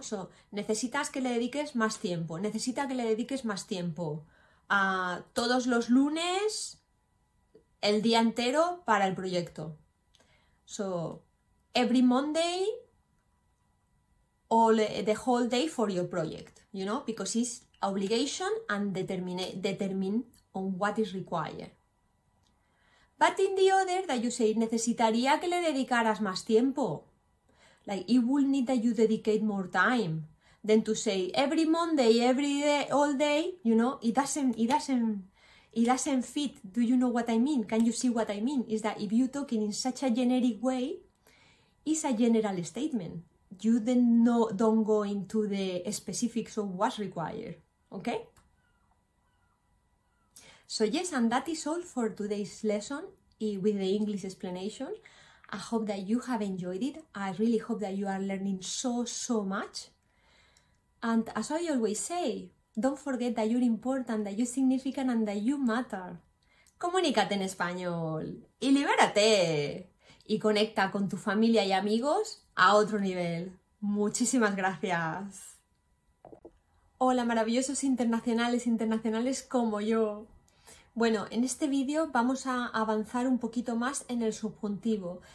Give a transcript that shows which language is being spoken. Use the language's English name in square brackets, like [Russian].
[Spanish] So, necesitas que le dediques más tiempo, necesita que le dediques más tiempo a todos los lunes, el día entero para el proyecto. [English] So, every Monday, all the whole day for your project, you know? Because it's obligation and determine on what is required. But in the other, that you say, [Spanish] necesitaría que le dedicaras más tiempo. [English] Like, it will need that you dedicate more time. Then to say, every Monday, every day, all day, you know, it doesn't fit. Do you know what I mean? Can you see what I mean? Is that if you talk in such a generic way, it's a general statement. You then don't go into the specifics of what's required, okay? So yes, and that is all for today's lesson with the English explanation. I hope that you have enjoyed it. I really hope that you are learning so much. And as I always say, don't forget that you're important, that you're significant, and that you matter. [Spanish] Comunícate en español y libérate y conecta con tu familia y amigos a otro nivel. Muchísimas gracias. Hola, maravillosos internacionales como yo. Bueno, en este vídeo vamos a avanzar un poquito más en el subjuntivo.